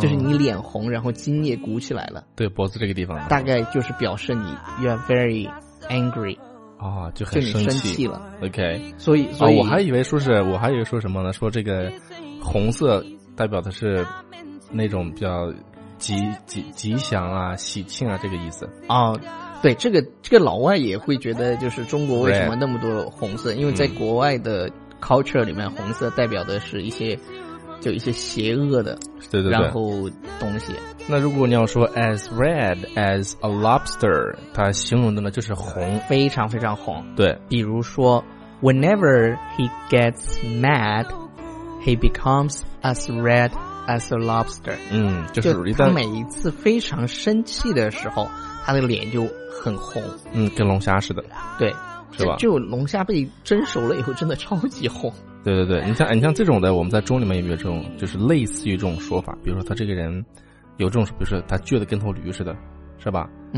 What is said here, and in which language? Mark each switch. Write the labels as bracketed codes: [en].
[zh] 就是你脸红然后筋也鼓起来了。对，脖子这个地方大概就是表示你 [en] you are very angry。 [zh] 哦，就很生气，就你生气了。 OK，所以、哦、我还以为说什么呢，说这个红色代表的是那种比较吉祥啊，喜庆啊，这个意思。哦，对，这个老外也会觉得，就是中国为什么那么多红色？因为在国外的 culture 里面，红色代表的是一些就一些邪恶的，对对对，然后东西。那如果你要说 [en] as red as a lobster， [zh] 它形容的呢就是红，非常非常红。对，比如说 [en] whenever he gets mad， he becomes as red。 As a lobster， [zh] 就是他每一次非常生气的时候，他的脸就很红，跟龙虾似的，对，是吧？就龙虾被蒸熟了以后，真的超级红。对对对，你像这种的，我们在中里面有没有这种，就是类似于这种说法？比如说他这个人有这种，比如说他倔得跟头驴似的，是吧？